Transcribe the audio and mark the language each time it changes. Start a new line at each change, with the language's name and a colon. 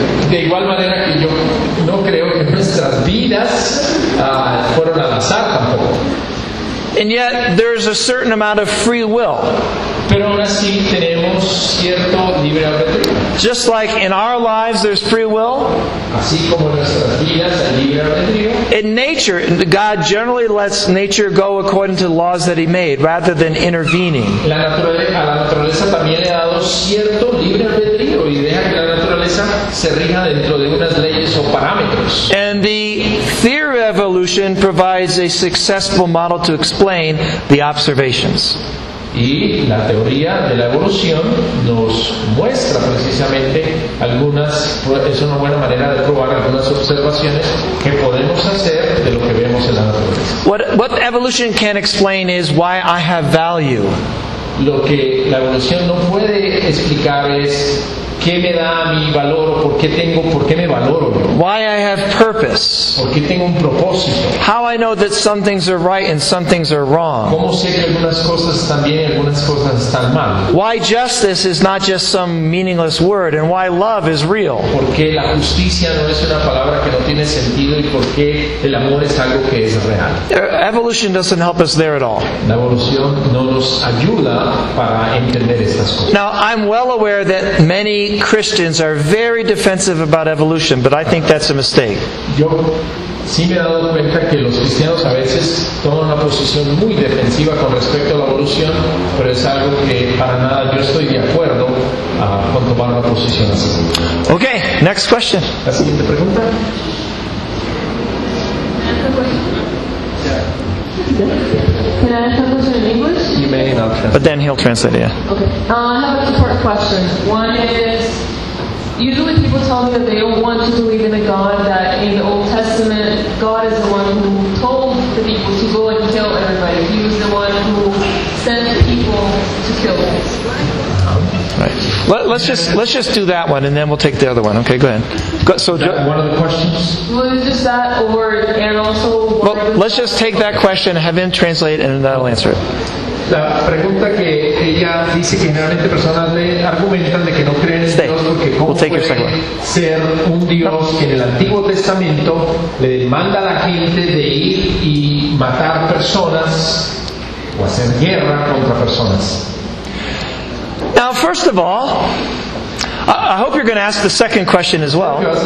Spanish: De igual manera que yo no creo que nuestras vidas fueron al azar tampoco.
English: And yet, there's a certain amount of free will.
Spanish: Pero aún así tenemos cierto libre albedrío.
English: Just like in our lives, there's free will.
Spanish: Así como en nuestras vidas hay libre albedrío.
English: In nature, God generally lets nature go according to the laws that He made, rather than intervening.
Spanish: A la naturaleza también le ha dado cierto libre albedrío, y deja que la naturaleza se rija dentro de unas leyes o parámetros.
English: And the theory of evolution provides a successful model to explain the observations.
Spanish: Y la teoría de la evolución nos muestra precisamente algunas, es una buena manera de probar algunas observaciones que podemos hacer de lo que vemos en la naturaleza.
English: What evolution can explain is why I have value.
Spanish: Lo que la evolución no puede explicar es qué me da mi valor o por qué me valoro.
English: Why I have purpose.
Spanish: ¿Por qué tengo un propósito?
English: How I know that some things are right and some things are wrong.
Spanish: ¿Cómo sé que algunas cosas están bien y algunas cosas están mal?
English: Why justice is not just some meaningless word and why love is real.
Spanish: ¿Por qué la justicia no es una palabra que no tiene sentido y por qué el amor es algo que es real?
English: Evolution doesn't help us there at all.
Spanish: La evolución no nos ayuda para entender estas cosas.
English: Now, I'm well aware that many Christians are very defensive about evolution, but I think that's a mistake.
Spanish: Yo sí me he dado cuenta que los cristianos a veces toman una posición muy defensiva con respecto a la evolución, pero es algo que para nada yo estoy de acuerdo con tomar una posición así.
English: Okay, next question.
Spanish: La siguiente pregunta.
English: Can I have those in English? You may not. But then he'll translate it. Yeah. Okay. I have a two-part question. One is, usually people tell me that they don't want to believe in a God, that in the Old Testament, God is the one who told the people to go and kill everybody. He was the one who sent people to kill us. Right. Let's just do that one, and then we'll take the other one. Okay, go ahead. One of the questions. Well, is just that, or and also. Well, let's just take that question, have him translate, and then I'll answer it.
Spanish: La pregunta que ella dice que generalmente personas le argumentan de que no creen en Dios porque cómo puede ser un Dios que en el Antiguo Testamento le demanda a la gente de ir y matar personas o hacer guerra contra personas.
English: Now, first of all, I hope you're going to ask the second question as well.